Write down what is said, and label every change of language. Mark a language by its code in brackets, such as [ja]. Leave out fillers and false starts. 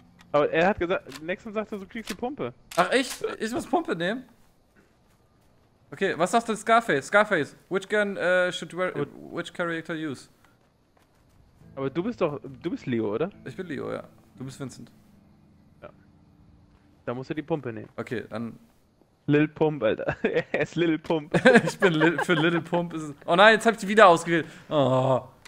[de] Aber er hat gesagt, nächstes Mal sagt er, du kriegst die Pumpe. Ach echt? Ich muss Pumpe nehmen? Okay, was sagst du denn Scarface? [en] Scarface, which gun should wear, which character use? [de] Aber du bist doch, du bist Leo, oder? Ich bin Leo, ja. Du bist Vincent. Ja. Da musst du die Pumpe nehmen. Okay, dann... Lil Pump, Alter. Er ist Lil Pump. Ich bin für Lil Pump. Ist es... Oh nein, jetzt hab ich die wieder ausgewählt. Oh.